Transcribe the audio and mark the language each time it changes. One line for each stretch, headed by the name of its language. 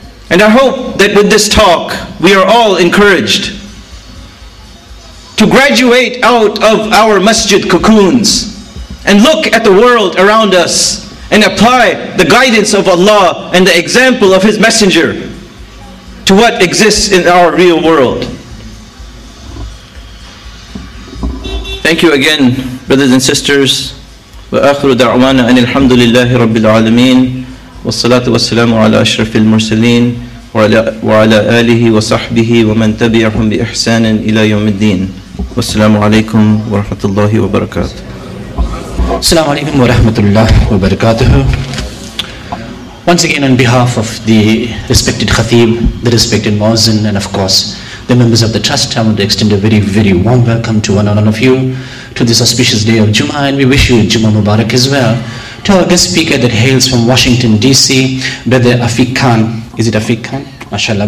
English: And I hope that with this talk, we are all encouraged to graduate out of our masjid cocoons and look at the world around us and apply the guidance of Allah and the example of His Messenger to what exists in our real world. Thank you again, brothers and sisters.
Arabic: وآخر دعوانا أن الحمد لله رب العالمين والصلاة والسلام على أشرف المرسلين وعلى آله وصحبه ومن تبعهم بإحسان إلى يوم الدين والسلام عليكم ورحمة الله وبركاته. Assalamu alaikum wa rahmatullah wa barakatuh.
English: Once again, on behalf of the respected Khatib, the respected Muazzin, and of course the members of the Trust, I want to extend a very, very warm welcome to one and all of you to this auspicious day of Jummah, and we wish you Jummah Mubarak as well. To our guest speaker that hails from Washington, D.C., Brother Afiq Khan. Is it Afiq Khan? MashaAllah.